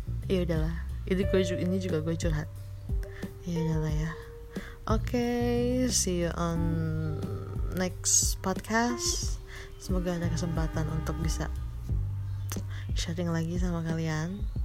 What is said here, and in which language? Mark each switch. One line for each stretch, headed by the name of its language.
Indonesian: Ya udahlah, ini juga gue curhat. Ya udahlah ya.
English: Okay, see you on next podcast.
Indonesian: Semoga ada kesempatan untuk bisa sharing lagi sama kalian.